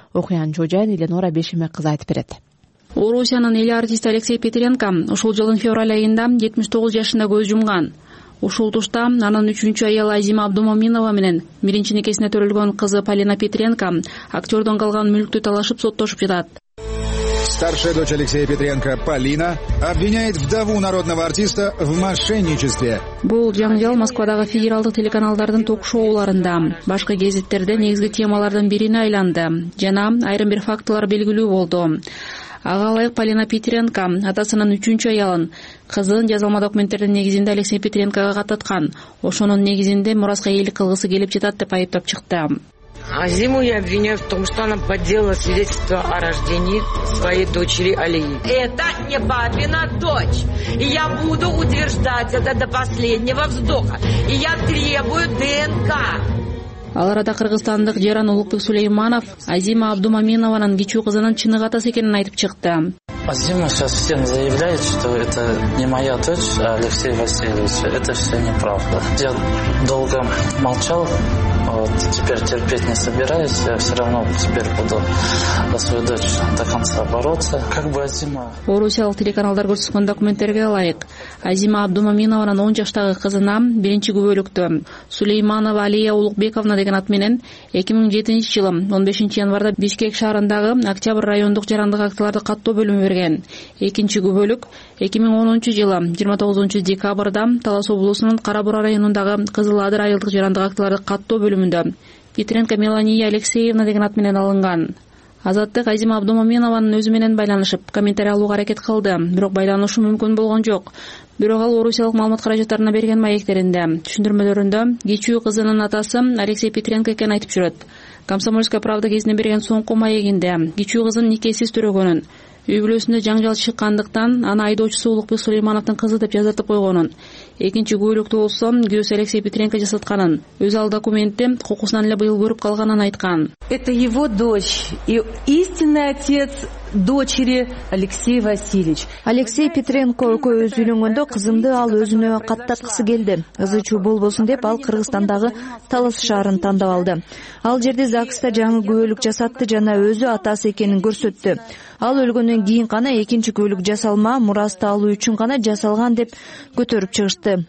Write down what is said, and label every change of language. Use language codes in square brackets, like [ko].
[ky] Окуянын жоожайын Эленора Бешимек кызы айтып берет. Орусиянын эл артисти Алексей Петренко ушул жылдын февраль айында 79 жашында көз жумган. Ушул тушта анын үчүнчү аялы Азима Абдумаминова менен биринчи никесине төрөлгөн кызы Полина Петренко актердон калган мүлктү талашып соттошуп жатат. [ru] Старшая дочь Алексея Петренко, Полина, обвиняет вдову народного артиста в мошенничестве. [ky] Бул жаңжал Москвадагы федералдык телеканалдардын ток-шоуларында, башка газеттерде негизги темалардын бирине айланды жана айрым бир фактылар белгилүү болду. агалайык Полина Петренко атасынын үчүнчү аялын кызын жазылма документтердин негизинде Алексей Петренкога кататкан, ошонун негизинде мураска ээлик кылгысы келип жатат деп айыптап чыкты. [ru] Азиму я обвиняю в том, что она подделала свидетельство о рождении своей дочери Алии. Это не папина дочь. И я буду утверждать это до последнего вздоха. И я требую ДНК. [ky] Аларада кыргызстандык Жаран Улукбек Сулейманов Азима Абдумаминованын кичүү кызынын чыныгы атасы экенин айтып чыкты. [ru] Азима сейчас всем заявляет, что это не моя дочь, а Алексей Васильевич. Это все неправда. Я долго молчал, вот теперь терпеть не собираюсь. Я все равно теперь буду за свою дочь до конца бороться. Как бы Азима... [ky] Орусиялык телеканалдар көрсөткөн документтерге ылайык, Азима Абдумаминованын 10 жаштагы кызына биринчи күбөлүктү Сулейманова Алия Улукбековна деген ат менен 2007 жылы 15 январда Бишкек шаарындагы Октябрь райондук жарандык актыларды каттоо бөлүмү берген. Экинчи күбөлүк 2010 жылы 29 декабрда Талас облусунун Кара Бура районундагы Кызыл Адыр айылдык жарандык актыларды каттоо бөлүмүндө Петренко Мелания Алексеевна деген ат менен алынган. Азаттык Азима Абдумаминованын өзү менен байланышып комментарий алууга аракет кылды, бирок байланышуу мүмкүн болгон жок. Бирок ал орусиялык маалымат каражаттарына берген маектеринде түшүндүрмөлөрүндө кичүү кызынын атасы Алексей Петренко экенин айтып жүрөт. Комсомольская правда гезине берген соңку маегинде кичүү кызын никесиз төрөгөнүн, үй бүлөсүндө жаңжал чыккандыктан аны айдоочусу Улукбек Сулеймановдун кызы деп жазартып койгонун, экинчи күбөлүктү болсо күйөөсү Алексей Петренко жасатканын, өзү ал документти кокусунан эле быйыл көрүп калганын айткан. Это его дочь и истинный отец дочери Алексей Васильевич. Алексей Петренко өкөөбүз үйлөнгөндө кызымды ал өзүнө каттаткысы келди. Кызычу болбосун деп ал Кыргызстандагы Талас шаарын тандап алды. Ал жерде ЗАГСта жаңы күбөлүк жасатты жана өзү атасы экенин көрсөттү. Ал өлгөндөн кийин гана экинчи күбөлүк жасалма, мурасты алуу үчүн гана жасалган деп көтөрүп чыгышты.